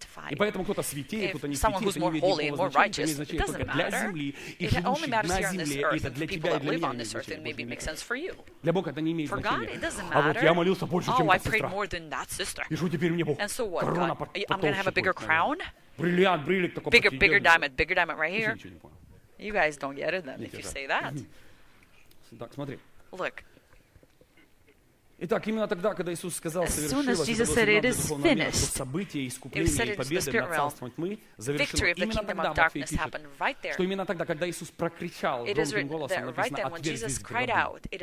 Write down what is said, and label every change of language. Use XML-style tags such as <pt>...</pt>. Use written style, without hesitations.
<ru>И поэтому кто-то святее, кто-то не святее, это не имеет никакого значения, это не значение только для земли, и живущий на земле, и это для тебя и для меня не значение. Для Бога это не имеет значения. А вот я молился больше, чем эта сестра. И что теперь мне Бог? Корона потолще будет. Бриллиант, бриллик такой.</ru> <en>Bigger diamond, bigger diamond right here. You guys don't get it then, if you say that.</en> <ru>Так, смотри.</ru> <en>Look.</en> <ru>Итак, именно тогда, когда Иисус сказал «совершилось», это было сигнал для духовного мира, что события, искупления и победы над царством тьмы завершилось. Именно тогда Матфей пишет, что именно тогда, когда Иисус прокричал громким голосом, написано «отверзь звезды гроба».</ru>